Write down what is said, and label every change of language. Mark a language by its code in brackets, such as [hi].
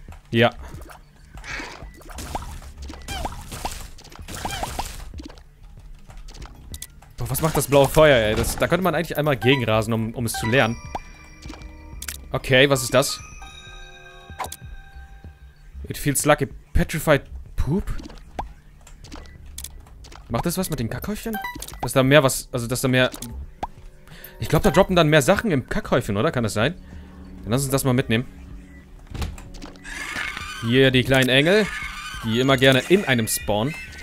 [de] Ja. Was macht das blaue Feuer, ey? Da könnte man eigentlich einmal gegenrasen, um es zu lernen. Okay, was ist das? [en] It feels like a petrified poop. [de] Macht das was mit den Kackhäufchen? Dass da mehr was... Also, dass da mehr... Ich glaube, da droppen dann mehr Sachen im Kackhäufchen, oder? Kann das sein? Dann lass uns das mal mitnehmen. Hier die kleinen Engel. Die immer gerne in einem spawnen.